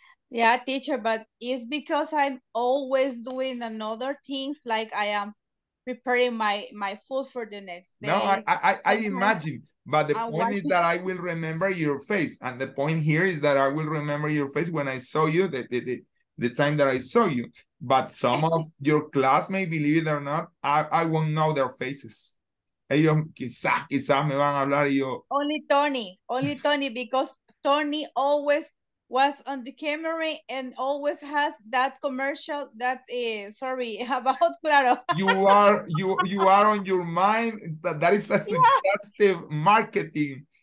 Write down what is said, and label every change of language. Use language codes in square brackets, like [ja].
[en] Yeah, teacher, but it's because I'm always doing another things, like I am preparing my food for the next day. No, I imagine, but the point is that I will remember your face, and the point here is that I will remember your face when I saw you, the time that I saw you, but some of your classmates, believe it or not, I won't know their faces. [es] Ellos quizás me van a hablar y yo... [en] Only Tony, because Tony always was on the camera and always has that commercial that is, sorry, about Claro. You are on your mind, that is a suggestive marketing.